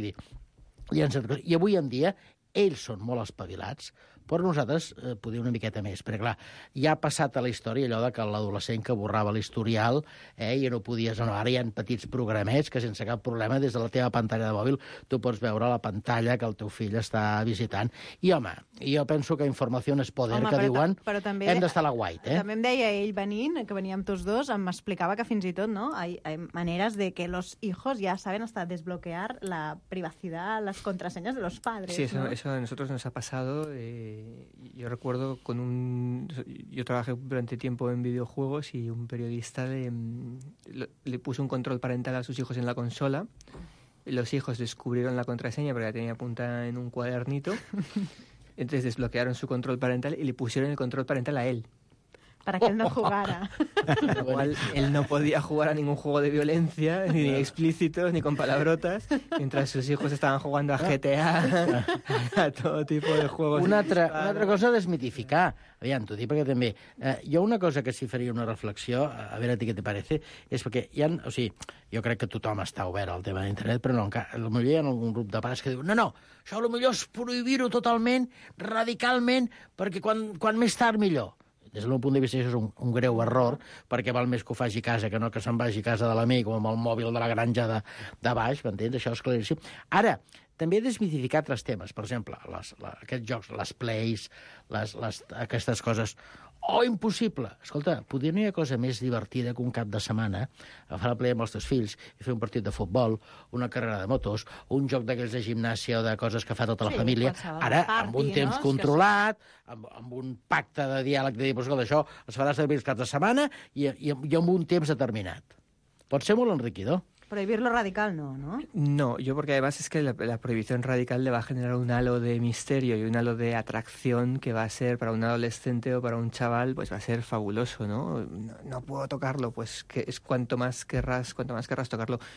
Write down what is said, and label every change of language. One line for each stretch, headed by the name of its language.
Catalan: Vull dir, i avui en dia ells són molt espavilats, però nosaltres podria una miqueta més, perquè, clar, ja ha passat a la història allò de que l'adolescent que borrava l'historial, ja no podies... No, ara hi ha petits programets que sense cap problema, des de la teva pantalla de mòbil, tu pots veure la pantalla que el teu fill està visitant. I, home, jo penso que informació és poder, home, que però diuen... Però també, hem d'estar a la guait, eh? També em deia ell venint, que veníem tots dos, em explicava que fins i tot, no?,
Spanish: hay maneres de que los hijos ya saben hasta desbloquear la privacidad, las contraseñas de los padres. Sí, eso, ¿no?, eso a nosotros nos ha pasado... Yo recuerdo con un... Yo trabajé durante tiempo en videojuegos y un periodista le puso un control parental a sus hijos en la consola. Los hijos descubrieron la contraseña porque la tenía apuntada en un cuadernito. Entonces desbloquearon su control parental y le pusieron el control parental a él. Para que él no jugara. Igual él no podía jugar a ningún juego de violencia, ni explícitos, ni con palabrotas, mientras sus hijos estaban jugando a GTA, a todo tipo de juegos.
Catalan: Una altra cosa a desmitificar. Aviam, t'ho dic perquè també... jo una cosa que sí faria una reflexió, a veure a ti què
Spanish: te parece,
Catalan: és perquè hi ha... O sigui, jo crec que tothom està obert al tema d'internet, però no, encara, potser hi ha algun grup de pares que diuen no, això potser és prohibir-ho totalment, radicalment, perquè quan més tard millor. Des del meu punt de vista, això és un greu error, perquè val més que ho faci a casa que no que se'n vagi a casa de l'amic o amb el mòbil de la granja de baix, m'entens? Això és claríssim. Ara, també he desmitificat altres temes. Per exemple, aquests jocs, les plays, aquestes coses... Oh, impossible! Escolta, potser no hi ha cosa més divertida que un cap de setmana agafar la play amb els teus fills i fer un partit de futbol, una carrera de motos, un joc d'aquells de gimnàsia o de coses que fa tota la família, ara, amb un temps controlat, amb un pacte de diàleg, de dir, escolta, això es farà servir els caps de setmana i amb un temps determinat. Pot ser molt enriquidor.
Spanish: Prohibirlo radical no, ¿no? No, yo porque además es que la prohibición radical le va a generar un halo de misterio y un halo de atracción que va a ser para un adolescente o para un chaval, pues va a ser fabuloso, ¿no? No puedo tocarlo, pues que es cuanto más querrás tocarlo.